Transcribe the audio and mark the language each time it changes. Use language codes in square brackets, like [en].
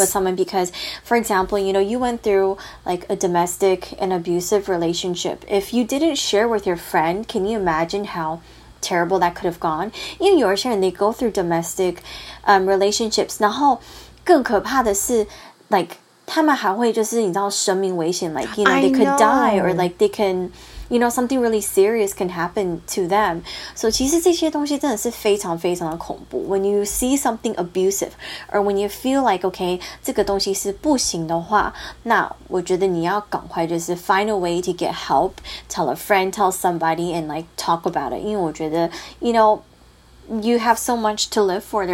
[en] with someone because for example you know you went through like a domestic and abusive relationship if you didn't share with your friend can you imagine how terrible that could have gone you know you're sharing they go through domestic relationships [zh] 然后更可怕的是 [en] like [zh] 他们还会就是你知道生命危险 [en] like you know they could die or like they canYou know, something really serious can happen to them. [zh] So, 其实这些东西真的是非常非常的恐怖。 [en] When you see something abusive, or when you feel like, okay, [zh] 这个东西是不行的话，那我觉得你要赶快就是 [en] find a way to get help, tell a friend, tell somebody, and like talk about it. [zh] 因为我觉得, [en] you know, you have so much to live for.